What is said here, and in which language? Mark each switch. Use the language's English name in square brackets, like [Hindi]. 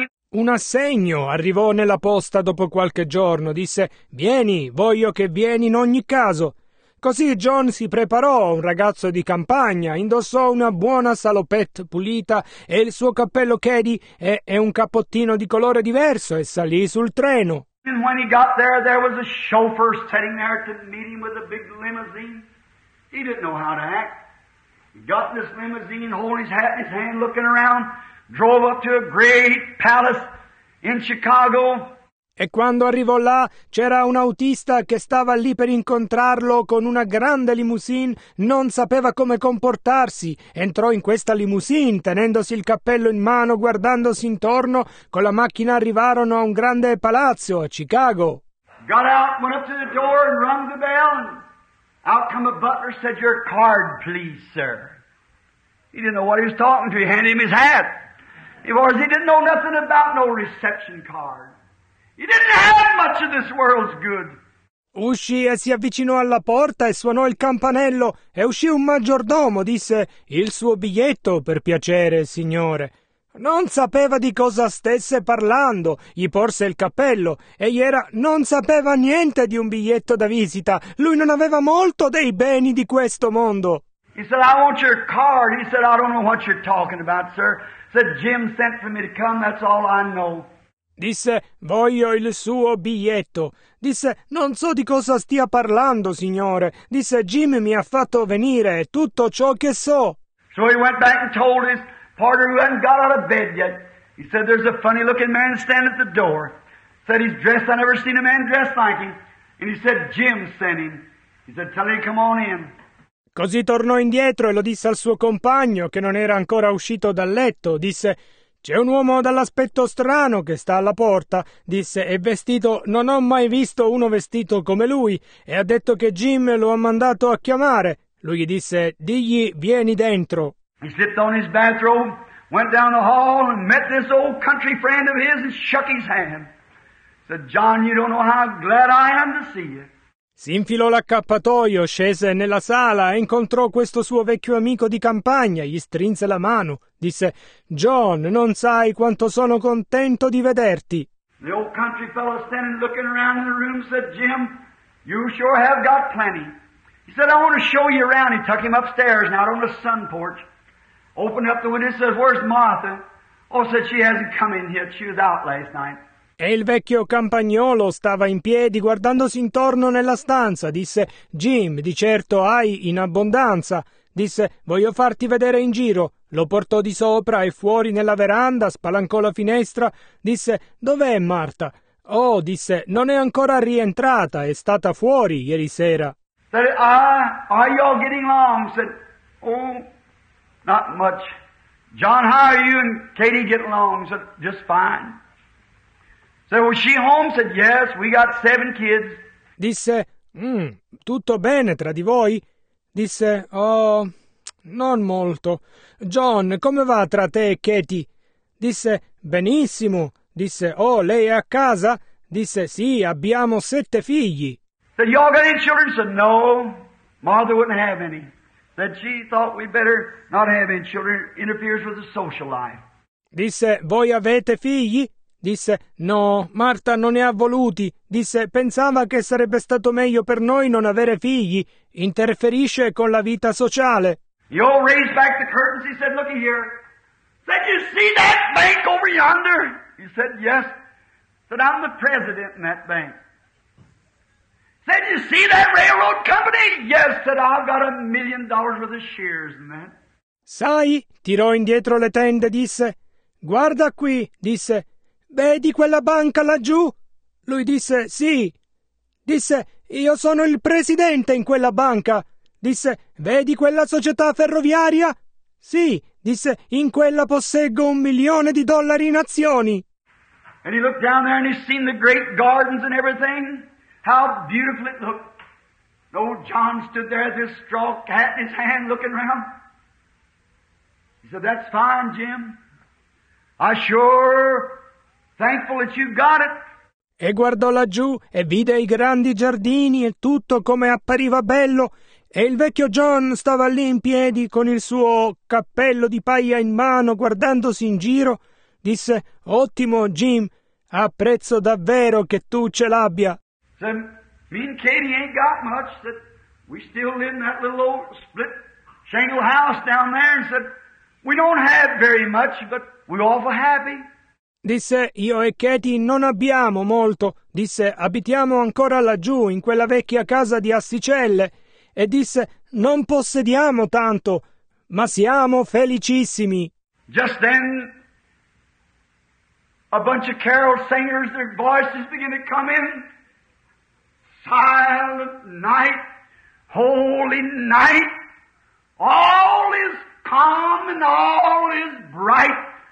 [Italian] Un assegno arrivò nella posta dopo qualche giorno. Disse, vieni, voglio che vieni in ogni caso. Così John si preparò, un ragazzo di campagna, indossò una buona salopette pulita e il suo cappello Caddy e un cappottino di colore diverso e salì sul treno. [English] And when he got there, there was a chauffeur sitting there to meet him with a big limousine. He didn't know how to act. He got in this limousine, holding his hat in his hand, looking around, drove up to a great palace in Chicago. [Italian] E quando arrivò là, c'era un autista che stava lì per incontrarlo con una grande limousine, non sapeva come comportarsi. Entrò in questa limousine, tenendosi il cappello in mano, guardandosi intorno. Con la macchina arrivarono a un grande palazzo a Chicago. [English] Got out, went up to the door and rung the bell. Out come a butler, said, your card, please, sir. He didn't know what he was talking to. He handed him his hat. He didn't know nothing about no reception card. He didn't have much of this world's good. [Italian] Uscì e si avvicinò alla porta e suonò il campanello. E uscì un maggiordomo, disse, il suo biglietto, per piacere, signore. Non sapeva di cosa stesse parlando, gli porse il cappello, e gli era, non sapeva niente di un biglietto da visita, lui non aveva molto dei beni di questo mondo. [English] He said, I want your card. He said, I don't know what you're talking about, sir. He said, Jim sent for me to come, that's all I know. [Italian] Disse, voglio il suo biglietto. Disse, non so di cosa stia parlando, signore. Disse, Jim mi ha fatto venire tutto ciò che so. [English] So he went back and told his partner who hadn't got out of bed yet. He said, there's a funny looking man standing at the door. Said he's dressed, I never seen a man dressed like him. And he said, Jim sent him. He said, tell him to come on in. [Italian] Così tornò indietro e lo disse al suo compagno, che non era ancora uscito dal letto. Disse, c'è un uomo dall'aspetto strano che sta alla porta. Disse, è vestito, non ho mai visto uno vestito come lui. E ha detto che Jim lo ha mandato a chiamare. Lui gli disse, digli, vieni dentro. [English] He slipped on his bathrobe, went down the hall and met this old country friend of his and shook his hand. Said, John, you don't know how glad I am to see you. [Italian] Si infilò l'accappatoio, scese nella sala e incontrò questo suo vecchio amico di campagna. Gli strinse la mano. Disse, John, non sai quanto sono contento di vederti. [English] The old country fellow standing looking around in the room said, Jim, you sure have got plenty. He said, I want to show you around. He took him upstairs and out on the sun porch. Opened up the window and said, where's Martha? Oh, said, she hasn't come in yet. She was out last night. [Italian] E il vecchio campagnolo stava in piedi guardandosi intorno nella stanza. Disse, Jim, di certo hai in abbondanza. Disse, voglio farti vedere in giro. Lo portò di sopra e fuori nella veranda, spalancò la finestra. Disse, dov'è Martha? Oh, disse, non è ancora rientrata, è stata fuori ieri sera. [English] Said, ah, are you all getting along? Said, oh, not much. John, how are you and Katie getting along? Said, just fine. Said, was she home? Said, yes, we got 7 kids. [Italian] Disse, tutto bene tra di voi? Disse, oh, non molto. John, come va tra te e Katie? Disse, benissimo. Disse, oh, lei è a casa? Disse, sì, abbiamo 7 figli. [English] Said, you all got any children? Said, no, Martha wouldn't have any. Said, she thought we'd better not have any children. It interferes with the social life. [Italian] Disse, voi avete figli? Disse, no, Martha non ne ha voluti. Disse, pensava che sarebbe stato meglio per noi non avere figli. Interferisce con la vita sociale. [English] He all raised back the curtains. He said, looky here. Said, you see that bank over yonder? He said, yes. Said, I'm the president in that bank. Said, you see that railroad company? Yes, said, I've got $1,000,000 worth of shares in that. [Italian] Sai, tirò indietro le tende, disse, guarda qui, disse, vedi quella banca laggiù? Lui disse, sì. Disse, io sono il presidente in quella banca. Disse, vedi quella società ferroviaria? Sì, disse, in quella posseggo $1,000,000 in azioni. [English] And he looked down there and he seen the great gardens and everything. How beautiful it looked. Old John stood there with his straw hat in his hand looking around. He said, that's fine, Jim. I sure... thankful that you got it. [Italian] E guardò laggiù e vide i grandi giardini e tutto come appariva bello. E il vecchio John stava lì in piedi con il suo cappello di paglia in mano, guardandosi in giro. Disse, ottimo, Jim, apprezzo davvero che tu ce l'abbia. [English] Said, me and Katie ain't got much. Said, we still live in that little old split shingle house down there. And said, we don't have very much, but we're awful happy. [Italian] Disse, io e Katie non abbiamo molto. Disse, abitiamo ancora laggiù, in quella vecchia casa di assicelle. E disse, non possediamo tanto, ma siamo felicissimi. [English] Just then, a bunch of carol singers, their voices begin to come in. Silent night, holy night, all is calm and all is bright.